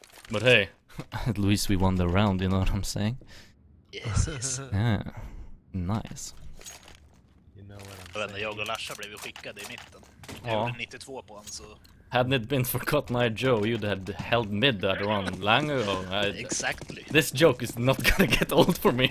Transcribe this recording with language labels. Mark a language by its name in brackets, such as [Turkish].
[English] But hey, at least we won the round, you know what I'm saying? Yes. Yeah. Nice. [Swedish] Jag vet inte, jag och Larsa blev skickade i mitten. Jag gjorde 92 på honom, så... [English] Hadn't it been for Cotton Eye Joe, you'd have held mid that one long ago. Exactly. This joke is not gonna get old for me.